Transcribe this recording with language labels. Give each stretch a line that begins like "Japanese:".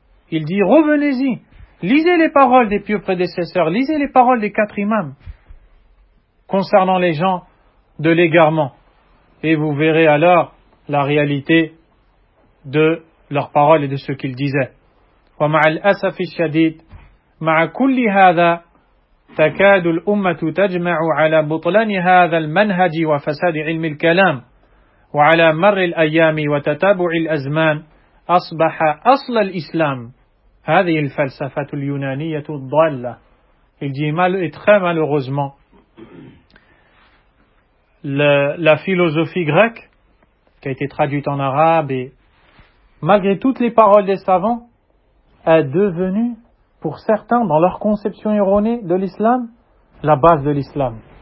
French: Il dit, revenez-y, lisez les paroles des pieux prédécesseurs, lisez les paroles des quatre imams concernant les gens de l'égarement. Et vous verrez alors la réalité de leurs paroles et de ce qu'ils disaient.
Arabic: ومع الأسف الشديد مع كل هذا تكاد الأمة تجمع على بطلان هذا المنهج وفساد علم الكلام وعلى مر الأيام وتتابع الأزمان أصبح أصل الإسلام هذه الفلسفة اليونانية الضالة.
French: Il dit mal et très malheureusement, la philosophie grecque qui a été traduite en arabe et malgré toutes les paroles des savants est devenu, pour certains, dans leur conception erronée de l'islam, la base de l'islam.